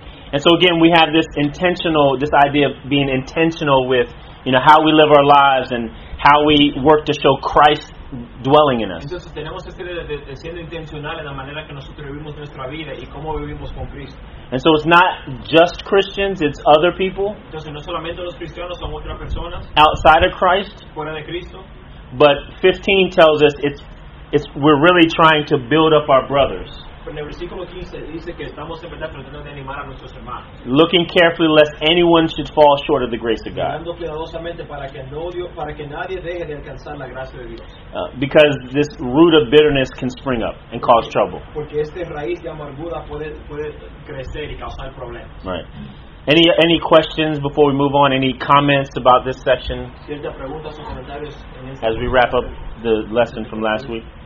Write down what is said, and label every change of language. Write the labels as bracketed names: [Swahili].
[English] And so again, we have this idea of being intentional with, you know, how we live our lives and how we work to show Christ dwelling in us. [Spanish] Entonces tenemos esta idea de siendo intencional en la manera que nosotros vivimos nuestra vida y cómo vivimos con Cristo. [English] And so it's not just Christians, it's other people. [Spanish] Entonces no solamente los cristianos, son otras personas. [English] Outside of Christ. [Spanish] Fuera de Cristo. [English] But 15 tells us it's we're really trying to build up our brothers. [Spanish] Pero en el versículo 15 dice que estamos en verdad tratando de animar a nuestros hermanos. [English] Looking carefully lest anyone should fall short of the grace of God. [Spanish] Mirando cuidadosamente para que nadie deje de alcanzar la gracia de Dios. [English] Because this root of bitterness can spring up and cause trouble. [Spanish] Porque esta raíz de amargura puede crecer y causar problemas. [English] Right. Any questions before we move on? Any comments about this section? [Spanish] Ciertas preguntas o comentarios en este. [English] As we wrap up the lesson from last week.